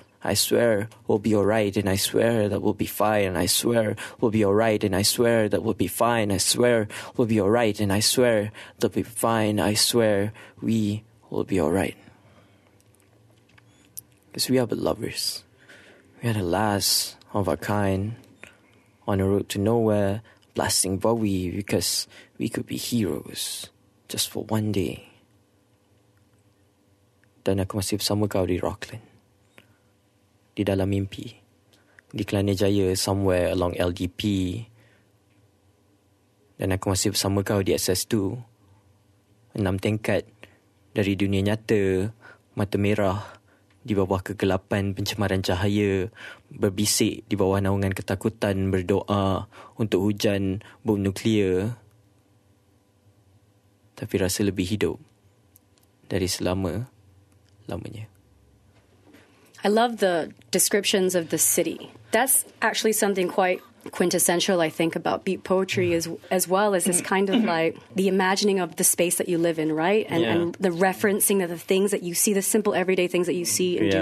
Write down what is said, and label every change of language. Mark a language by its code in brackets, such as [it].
[en] I swear we'll be alright, and I swear that we'll be fine, and I swear we'll be alright, and I swear that we'll be fine, I swear we'll be alright, and I swear they'll be fine, I swear we will be alright. Because we are but lovers. We are the last of our kind. On a road to nowhere, blasting Bowie, because we could be heroes just for one day. [ms] Dan aku masih bersama kau di Rockland. Di dalam mimpi. Di Kelana Jaya, [en] somewhere along [ms] LDP. Dan aku masih bersama kau di SS2. 6 tingkat dari dunia nyata, mata merah. Di bawah kegelapan pencemaran cahaya, berbisik di bawah naungan ketakutan, berdoa untuk hujan bom nuklear. Tapi rasa lebih hidup dari selama-lamanya. [en] I love the descriptions of the city. That's actually something quite quintessential, I think, about beat poetry as well as this kind of like the imagining of the space that you live in, right? And, and the referencing of the things that you see, the simple everyday things that you see and do.